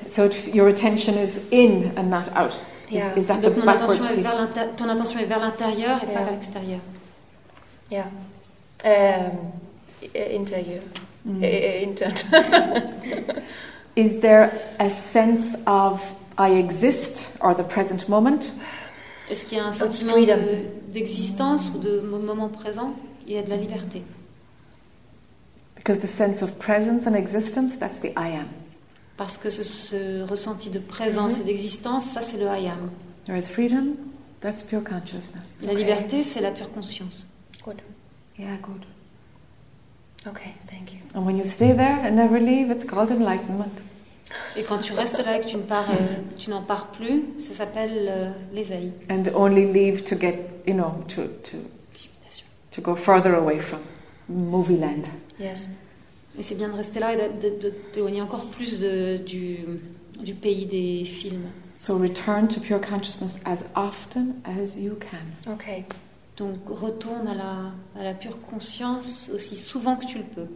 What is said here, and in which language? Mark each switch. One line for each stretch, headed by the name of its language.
English: So your attention is in and not out. Yeah. Is that the backwards attention piece?
French: Ton attention est vers l'intérieur et pas vers l'extérieur. Yeah. Intérieur. Intern.
English: Is there a sense of I exist or the present moment?
French: Est-ce qu'il y a un sentiment d'existence ou de moment présent? Il y a de la liberté.
English: Because the sense of presence and existence, that's the I am.
French: Parce que ce ressenti de présence et d'existence, ça c'est le
English: I am. There is freedom, that's pure consciousness.
French: La liberté, c'est la pure conscience.
English: Good. Yeah, good. Okay, thank you. And when you stay there and never leave, it's called enlightenment.
French: Et quand tu restes là et que tu, tu n'en pars plus, ça s'appelle l'éveil.
English: And only leave to get, you know, to go further away from movie land. Yes.
French: Et c'est bien de rester là et de t'éloigner encore plus du pays des films.
English: So return to pure consciousness as often as you can. Okay.
French: Donc retourne à la pure conscience aussi souvent que tu le peux.